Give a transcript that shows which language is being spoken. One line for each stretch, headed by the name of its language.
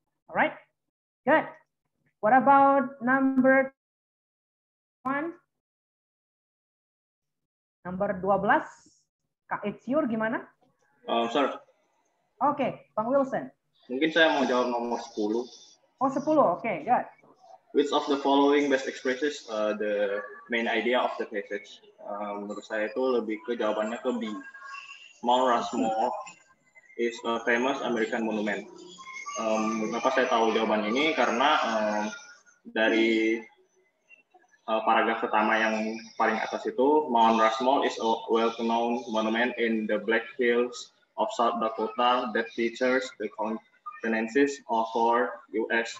English: Alright. Good. What about number 1? Number 12?
Indonesian: Kak,
English: it's your
Indonesian: gimana?
English: Sir. Okay, Bang Wilson.
Indonesian: Mungkin saya mau jawab nomor 10.
English: Oh, 10. Okay, good. Which of the following best expresses the main idea of the passage?
Indonesian: Menurut saya itu lebih ke jawabannya ke B.
English: Mount Rushmore is a famous American monument.
Indonesian: Kenapa saya tahu jawaban ini? Karena dari paragraf pertama yang paling atas itu,
English: Mount Rushmore is a well-known monument in the Black Hills of South Dakota that features the countenances of four U.S.